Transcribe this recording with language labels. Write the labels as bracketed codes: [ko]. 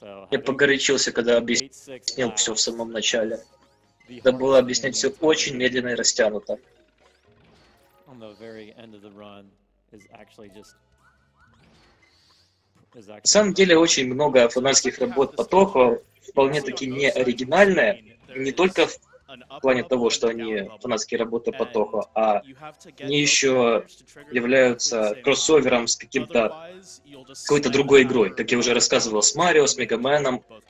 [ru] Я погорячился, когда объяснил все в самом начале. Надо было объяснять все очень медленно и растянуто. [en] On the very end of the run is actually just. [ru] На самом деле очень много фанатских работ по Тоху вполне таки не оригинальные, не только в плане того, что они фанатские работы по Тоху, а они еще являются кроссовером с какой-то другой игрой, как я уже рассказывал, с Марио, с Мегаменом.